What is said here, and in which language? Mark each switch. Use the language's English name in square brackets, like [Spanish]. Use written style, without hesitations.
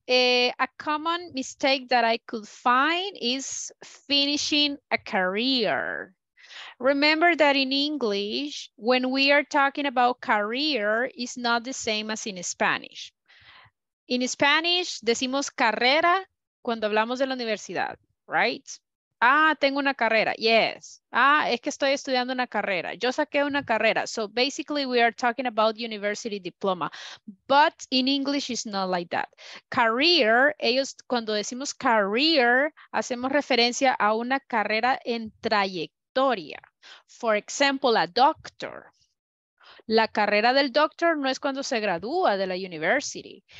[English] A common mistake that I could find is finishing a career. Remember that in English, when we are talking about career, it's not the same as in Spanish. In Spanish, [Spanish] decimos carrera cuando hablamos de la universidad, [English] right? [Spanish] Ah, tengo una carrera. [English] Yes. [Spanish] Ah, es que estoy estudiando una carrera. Yo saqué una carrera. [English] So basically we are talking about university diploma. But in English it's not like that. [Spanish] Career, ellos cuando decimos career, hacemos referencia a una carrera en trayectoria. [English] For example, a doctor. [Spanish] La carrera del doctor no es cuando se gradúa de la university.